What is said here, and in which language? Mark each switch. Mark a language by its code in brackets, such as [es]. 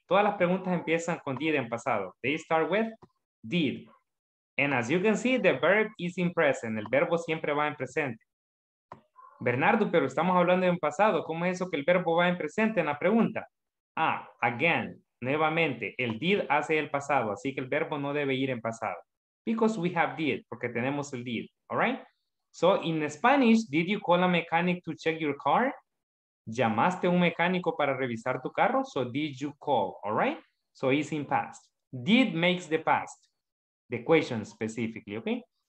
[es] Todas las preguntas empiezan con did en pasado. [en] They start with did. And as you can see, the verb is in present. [es] El verbo siempre va en presente. Bernardo, pero estamos hablando en pasado. ¿Cómo es eso que el verbo va en presente en la pregunta? [en] Again, [es] nuevamente, el did hace el pasado. Así que el verbo no debe ir en pasado. [en] Because we have did, [es] porque tenemos el did, [en] all right? So in Spanish, did you call a mechanic to check your car? [es] ¿Llamaste un mecánico para revisar tu carro? [en] So did you call, all right? So it's in past. Did makes the past, the question specifically, okay?